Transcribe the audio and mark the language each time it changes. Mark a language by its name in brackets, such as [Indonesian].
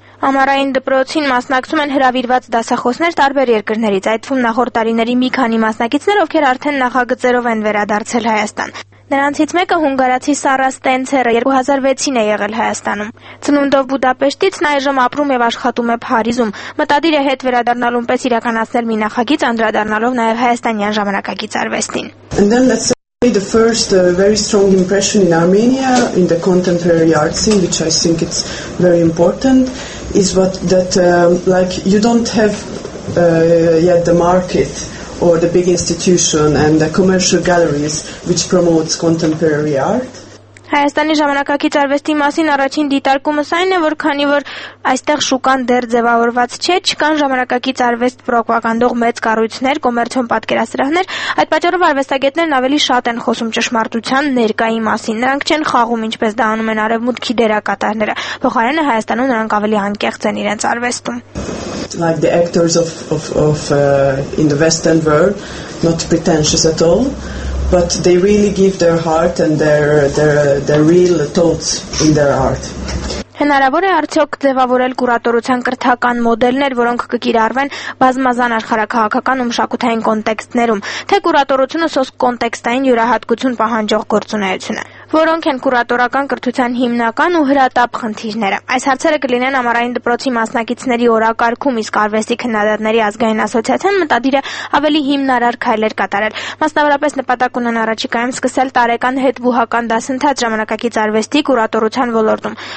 [Armenian] Համարային դպրոցին մասնակցում են հրավիրված դասախոսներ տարբեր երկրներից, այդվում նախորդ տարիների մի քանի մասնակիցներ, ովքեր արդեն նախագծերով են վերադարձել Հայաստան։ Նրանցից մեկը հունգարացի Սառա Ստենցերը 2006-ին է եղել Հայաստանում։ Ծնունդով Բուդապեշտից նա այժմ ապրում եւ աշխատում է Փարիզում։ Մտադիր է հետ վերադառնալուն պես իրականացնել մի նախագիծ, անդրադառնալով նաեւ հայաստանյան ժամանակակից արվեստին։ [English] The first very strong impression in Armenia in the contemporary art scene, which I think it's very important, is what that like you don't have yet the market or the big institution and the commercial galleries which promotes contemporary art. [Armenian] Հայաստանի ժամանակակից արվեստի մասին առաջին դիտարկումս այն է, որ քանի որ այստեղ շուկան դեռ ձևավորված չէ, չկան ժամանակակից արվեստ պրոպագանդող մեծ կառույցներ, կոմերցիոն պատկերասրահներ, այդ պատճառով արվեստագետներն ավելի շատ են խոսում ճշմարտության ներկայի մասին։ Նրանք չեն խաղում, ինչպես դա անում են արևմուտքի դերակատարները։ Փոխարենը Հայաստանում նրանք ավելի անկեղծ են իրենց արվեստում։ [English] Like the actors of in the Western world, not pretentious at all. But they really give their heart and their real thoughts in their art. [Armenian] Հնարավոր է արդյոք ձևավորել կուրատորության կրթական մոդելներ, որոնք կկիրառվեն բազմազան աշխարհակահաղական ու մշակութային կոնտեքստներում, թե կուրատորությունը սոսկ կոնտեքստային յուրահատկություն պահանջող գործունեություն է։ Որոնք են կուրատորական կրթության հիմնական ու հրատապ խնդիրները։ Այս հարցերը կլինեն ամառային դպրոցի մասնակիցների օրակարգում, իսկ արվեստի քննադատների ազգային ասոցիացիան մտադիր է ավելի հիմնարար քայլեր կատարել։ Մասնավորապես նպատակ ունեն առաջիկայում սկսել տարեկան հետբուհական դասընթաց ժամանակակից արվեստի կուրատորության ոլորտում։